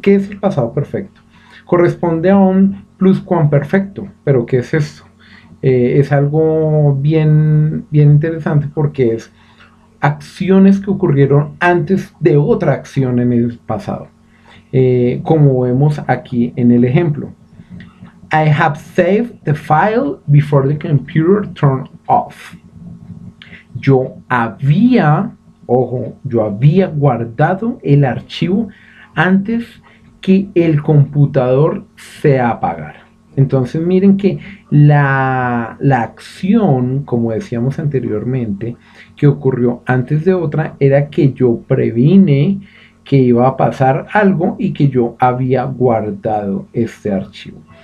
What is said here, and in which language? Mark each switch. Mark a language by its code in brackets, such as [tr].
[es] ¿Qué es el pasado perfecto? Corresponde a un pluscuamperfecto, pero ¿qué es esto? Es algo bien interesante porque es acciones que ocurrieron antes de otra acción en el pasado. Como vemos aquí en el ejemplo. [en] I have saved the file before the computer turned off. [es] Yo había guardado el archivo antes que el computador se apagara. Entonces, miren que la acción, como decíamos anteriormente, que ocurrió antes de otra, era que yo previne que iba a pasar algo y que yo había guardado este archivo.